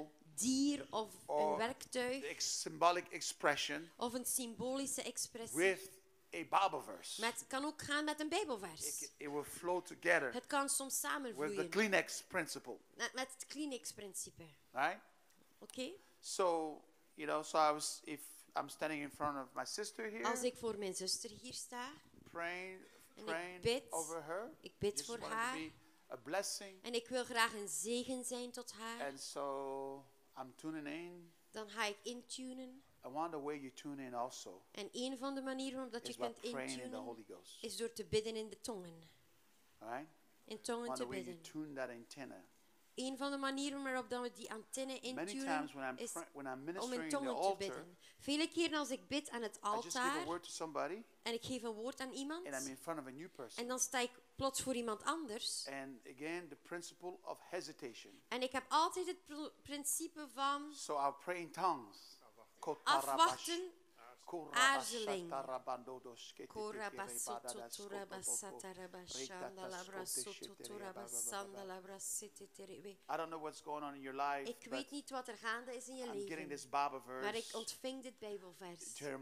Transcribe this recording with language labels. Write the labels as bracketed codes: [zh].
[nl] een dier of [en] or [nl] een werktuig. [en] Symbolic expression. [nl] Of een symbolische expressie. [en] With a Bible verse. [nl] Met kan ook gaan met een Bijbelvers. [en] It will flow together. [nl] Het kan soms samenvloeien. [en] With the Kleenex principle. [nl] Met het Kleenex principe. [en] Right? [nl] Oké. [en] Okay. So, if I'm standing in front of my sister here. [nl] Als ik voor mijn zuster hier sta. [en] Praying bid, over her. [nl] Ik bid voor haar. [en] A blessing. [nl] En ik wil graag een zegen zijn tot haar. [en] And so I'm tuning in. [nl] Dan ga ik intunen. [en] I want the way you tune in also. [nl] En een van de manieren omdat je kunt intunen is door te bidden in de tongen. [en] Right? [nl] In tongen te bidden. [en] I want the way you tune that antenna. [nl] Een van de manieren waarop dan we die antenne intunen is om in tongen [en] altar, [nl] te bidden. Vele keren als ik bid aan het altaar [en] somebody, [nl] en ik geef een woord aan iemand [en] and I'm in front of a new person. [nl] En dan sta ik plots voor iemand anders. [en] And again, the principle of hesitation. [nl] En ik heb altijd het principe van [en] so I'll pray in tongues. [nl] Afwachten. Aarzeling. [en] I don't know what's going on in your life. [nl] Ik weet niet wat er gaande is in je leven. [en] I'm getting this Bible verse. [nl] Maar ik ontving dit Bijbelvers.